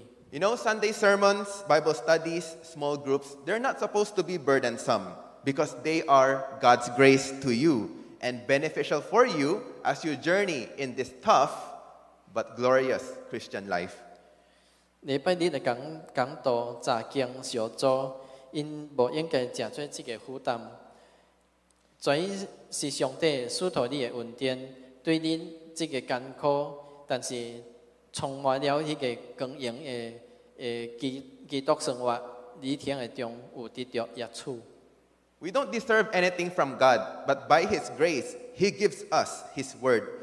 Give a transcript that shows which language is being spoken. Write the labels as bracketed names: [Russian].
[English] You know, Sunday sermons, Bible studies, small groups, they're not supposed to be burdensome because they are God's grace to you and beneficial for you as you journey in this tough but glorious Christian life. [Min Nan Chinese] 礼拜日的讲道、查经、小组，因不应该成为这个负担。 [English] We don't deserve anything from God, but by His grace, He gives us His Word.